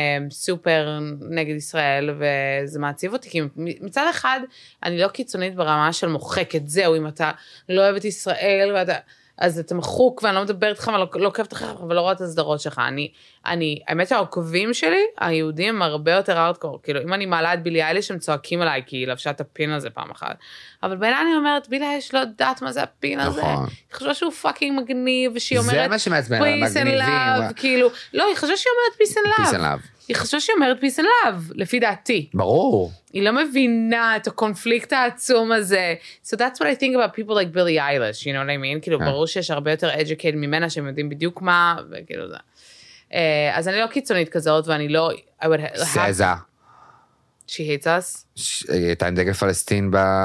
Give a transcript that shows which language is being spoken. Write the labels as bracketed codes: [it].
[he] סופר נגד ישראל, וזה מעציב אותי, כי מצד אחד, אני לא קיצונית ברמה של מוחקת, זהו, אם אתה לא אוהב את ישראל, אז אתה מחוק, ואני לא מדבר איתך, ולא עוקבת אחריך, ולא רואה את הסדרות שלך, אני, האמת שהעוקבים שלי, היהודים הם הרבה יותר ארדקור, כאילו, אם אני מעלה את בילי אייליש, הם צועקים עליי, כי היא לבשה את הפין הזה פעם אחת, אבל בעיני אני אומרת, בילי אייליש לא יודעת מה זה הפין הזה, היא חושבת שהוא פאקינג מגניב, ושהיא אומרת, זה מה שמעצבן, [en] peace and [he] love, כאילו, לא, היא חושבת שהיא אומרת [en] peace and love, [he] היא חושבת שהיא אומרת peace and love, לפי דעתי. ברור. היא לא מבינה את הקונפליקט העצום הזה. [en] So that's what I think about people like Billie Eilish, you know what I mean? [he] כאילו, ברור שיש הרבה יותר educated ממנה, שהם יודעים בדיוק מה, וכאילו זה. אז אני לא קיצונית כזאת, ואני לא... סזה. She hates us? היא הייתה עם דגל פלסטין ב...